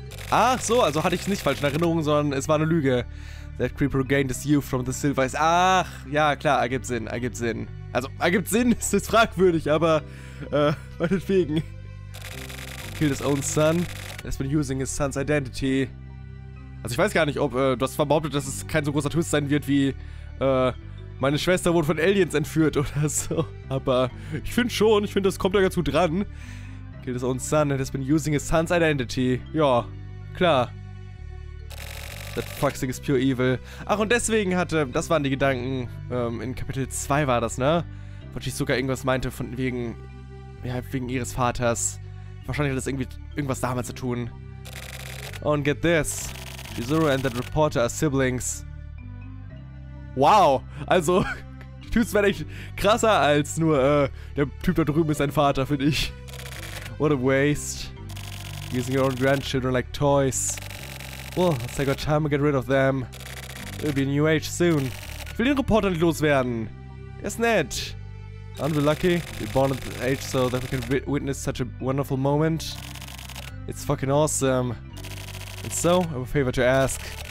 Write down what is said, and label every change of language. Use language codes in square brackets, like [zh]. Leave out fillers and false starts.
[de] Ach so, also hatte ich es nicht falsch in Erinnerung, sondern es war eine Lüge. [en] That creeper regained his youth from the silver eyes. [de] Ach, ja, klar, ergibt Sinn, ergibt Sinn. Also, ergibt Sinn, ist jetzt fragwürdig, aber, meinetwegen. [en] Killed his own son. Has been using his son's identity. [de] Also, ich weiß gar nicht, ob, du hast behauptet, dass es kein so großer Twist sein wird wie, meine Schwester wurde von Aliens entführt oder so. Aber, ich finde schon, ich finde, das kommt da ganz gut dran. [en] Killed his own son and has been using his son's identity. [de] Ja, klar. [en] That fuck thing is pure evil. [de] Ach, und deswegen hatte, das waren die Gedanken, in Kapitel 2 war das, ne? Wo Shizuka irgendwas meinte von wegen, ja, wegen ihres Vaters. Wahrscheinlich hat das irgendwie irgendwas damit zu tun. Und [en] get this. Shizuru and that reporter are siblings. [de] Wow, also, die Typs werden echt krasser als nur, der Typ da drüben ist sein Vater, finde ich. [en] What a waste. Using your own grandchildren like toys. Well, let's take our time to get rid of them. It'll be a new age soon. [de] Ich will den Reporter nicht loswerden. Er ist nett. [en] Aren't we lucky? We're born at the age so that we can witness such a wonderful moment. It's fucking awesome. And so, I have a favor to ask.